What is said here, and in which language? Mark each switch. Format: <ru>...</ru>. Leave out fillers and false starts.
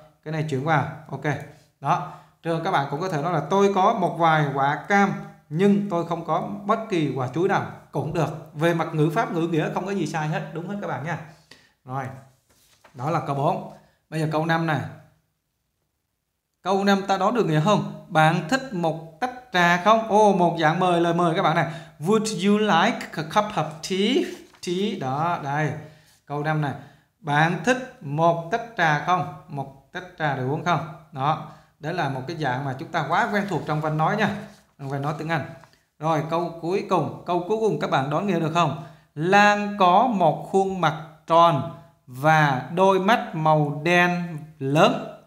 <vi>Cái này chuyển vào, ok. Đó, trường các bạn cũng có thể nói là tôi có một vài quả cam nhưng tôi không có bất kỳ quả chuối nào cũng được. Về mặt ngữ pháp, ngữ nghĩa không có gì sai hết, đúng hết các bạn nha. Rồi, đó là câu 4. Bây giờ câu 5 này. Câu 5 ta đoán được nghĩa không? Bạn thích một tách trà không? Ồ, một dạng mời, lời mời các bạn này.</vi> <en>Would you like a cup of tea?</en> <vi>Tea, đó, đây. Câu 5 này. Bạn thích một tách trà không? Một tách trà để uống không? Đó, đấy là một cái dạng mà chúng ta quá quen thuộc trong văn nói nha, về nói tiếng Anh. Rồi câu cuối cùng các bạn đoán nghĩa được không? Lan có một khuôn mặt tròn và đôi mắt màu đen lớn.</vi>